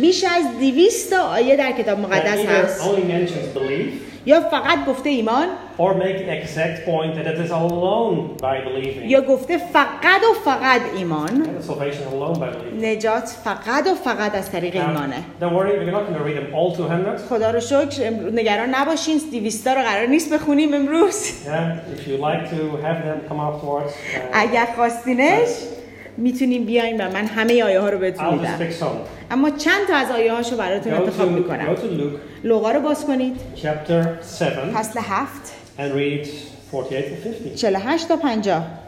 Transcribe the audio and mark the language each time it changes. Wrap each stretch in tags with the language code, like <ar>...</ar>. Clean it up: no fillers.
<fa>بیش از 200 آیه در کتاب مقدس هست.</fa> <en>Only mentions belief.</en> <fa>یا فقط گفته ایمان.</fa> <en>Or make exact point that it is alone by believing.</en> <fa>یا گفته فقط و فقط ایمان.</fa> <en>Salvation alone by believing.</en> <fa>نجات فقط و فقط از طریق ایمانه.</fa> <en>Don't worry, we're not going to read them all 200.</en> <fa>خدا رو شکر نگران نباشین 200 رو قرار نیست بخونیم امروز.</fa> <en>Yeah, if you like to have them come afterwards.</en> <fa>اگر خواستینش میتونیم بیاین و من همه آیه ها رو بهتون میدم. اما چند تا از آیه هاش رو براتون انتخاب میکنم. لوقا رو باز کنید.</fa> <en>Chapter 7.</en> <fa>فصل 7.</fa> <en>And read 48 to 50.</en> <fa>48 تا 50.</fa>